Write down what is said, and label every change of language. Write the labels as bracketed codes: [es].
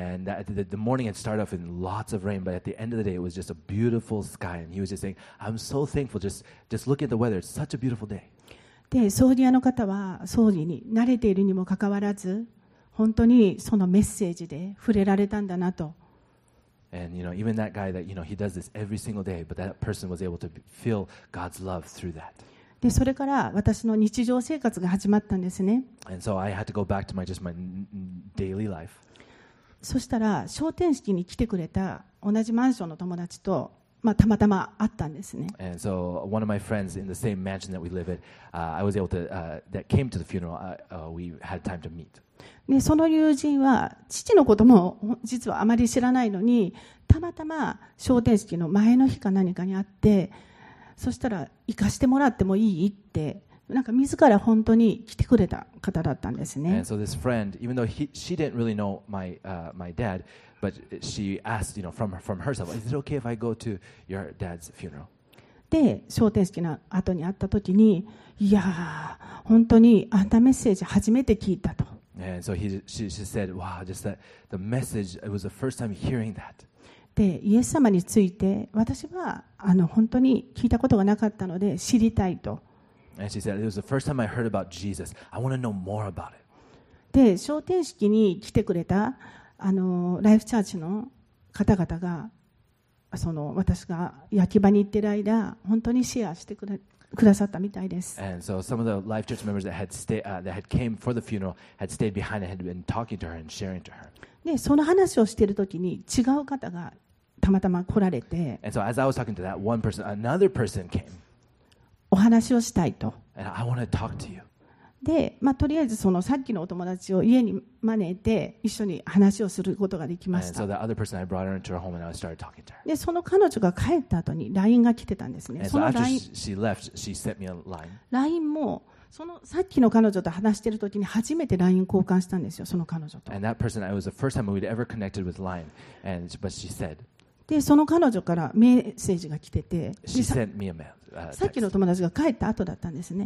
[en] And the morning had started off in lots of rain, but at the end of the day, it was just a beautiful sky. And he was just saying, I'm so thankful. Just look at the weather. It's such a beautiful day. [ja] で葬儀屋の方は葬儀に慣れているにもかかわらず本当にそのメッセージで触れられたんだなと [en] And you know, even that guy that, you know, he does this every single day, but that person was able to feel God's love through that. [ja] でそれから私の日常生活が始まったんですね [en] And so I had to go back to my, just my daily life. [ja] そしたら昇天式に来てくれた同じマンションの友達とまあ、たまたま会ったんですね。 [en] And so one of my friends in the same mansion that we live at, I was able to, that came to the funeral, we had time to meet. [ja] で、その友人は父のことも実はあまり知らないのに、たまたま昇天式の前の日か何かに会って、そしたら行かしてもらってもいいって、なんか自ら本当に来てくれた方だったんですね。 [en] And so this friend, even though she didn't really know my dad,But she asked, you know, from herself, is it okay if I go to your dad's funeral? [ja] で、昇天式の後に会ったときに、いやー、本当にあんなメッセージ初めて聞いたと。 [en] And so she said, wow, just that the message, it was the first time hearing that. [ja] で、イエス様について私は本当に聞いたことがなかったので知りたいと。 [en] And she said, it was the first time I heard about Jesus. I want to know more about it. [ja] で、昇天式に来てくれたライフチャーチの方々がその私が焼き場に行ってる間本当にシェアしてくださったみたいです。 [en] And so some of the life church members that had stayed, that had came for the funeral had stayed behind and had been talking to her and sharing to her. [ja] で、その話をしている時に違う方がたまたま来られて。 [en] And so as I was talking to that one person, another person came. [ja] お話をしたいと。 [en] And I want to talk to you. [ja] でまあ、とりあえずそのさっきのお友達を家に招いて一緒に話をすることができました。でその彼女が帰った後に LINE が来てたんですね。その LINE もそのさっきの彼女と話している時に初めて LINE 交換したんですよ、その彼女と。 [en] And that person, it was the first time we'd ever connected with LINE. And, but she said, [ja] でその彼女からメッセージが来てて [en] She sent me a mail, [ja] さっきの友達が帰った後だったんですね